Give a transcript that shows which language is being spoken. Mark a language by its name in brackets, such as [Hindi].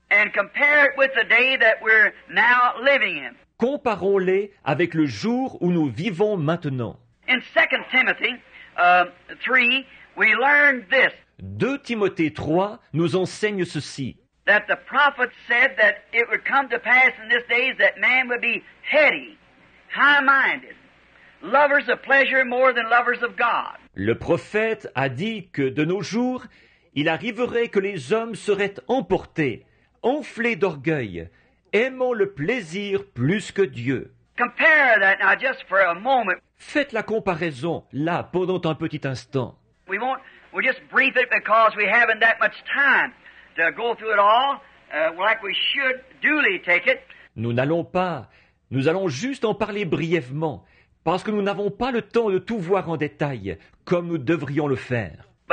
[English] And compare it with the day that we're now living in. [French] Comparons-les avec le jour où nous vivons maintenant. [English] In 2 Timothy 3, we learned this. [French] 2 Timothée 3 nous enseigne ceci. [English] That the prophet said that it would come to pass in this day that man would be heady, high-minded, lovers of pleasure more than lovers of God. [French] Le prophète a dit que de nos jours, il arriverait que les hommes seraient emportés, enflés d'orgueil, aimant le plaisir plus que Dieu. [English] Compare that now just for a moment. [French] Faites la comparaison là pendant un petit instant. [English] We'll just brief it because we haven't that much time to go through it all, like we should duly take it. [French] Nous allons juste en parler brièvement, parce que nous n'avons pas le temps de tout voir en détail, comme nous devrions le faire.